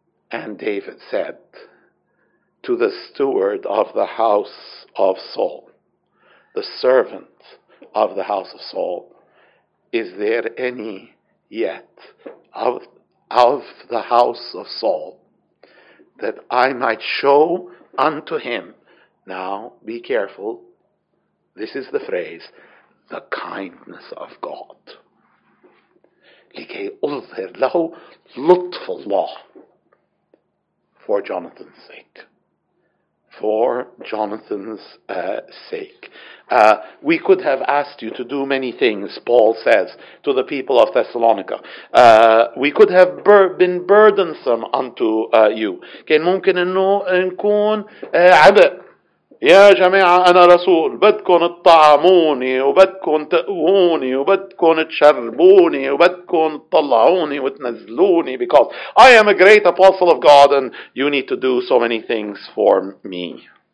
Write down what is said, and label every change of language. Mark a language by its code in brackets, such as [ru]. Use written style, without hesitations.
[en] And David said to the steward of the house of Saul, the servant of the house of Saul, "Is there any yet of the house of Saul that I might show unto him?" Now, be careful. This is the phrase, the kindness of God. [ar] لِكَيْ أُظْهِرْ لَهُ لُطْفُ اللَّهِ. [en] For Jonathan's sake. For Jonathan's sake. We could have asked you to do many things, Paul says to the people of Thessalonica. We could have been burdensome unto you. [ar] كان ممكن انه نكون عبء. يا جماعة أنا رسول بدكم تطعموني وبدكم تقووني وبدكم تشربوني وبدكم تطلعوني وتنزلوني [en] because I am a great apostle of God and you need to do so many things for me.